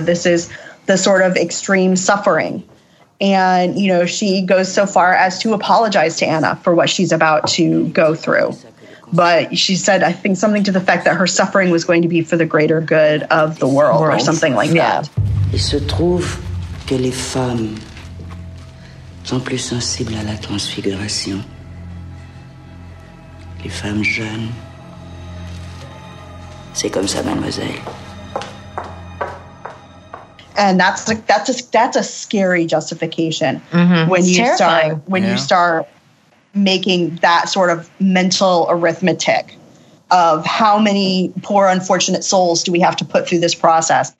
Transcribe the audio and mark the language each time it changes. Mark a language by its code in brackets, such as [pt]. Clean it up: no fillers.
[en] This is the sort of extreme suffering. And, you know, she goes so far as to apologize to Anna for what she's about to go through. But she said, I think, something to the effect that her suffering was going to be for the greater good of the world or something like that. [fr] Il se trouve que les femmes sont plus sensibles à la transfiguration. Les femmes jeunes. C'est comme ça, mademoiselle. [en] And that's a scary justification you start making that sort of mental arithmetic of how many poor, unfortunate souls do we have to put through this process.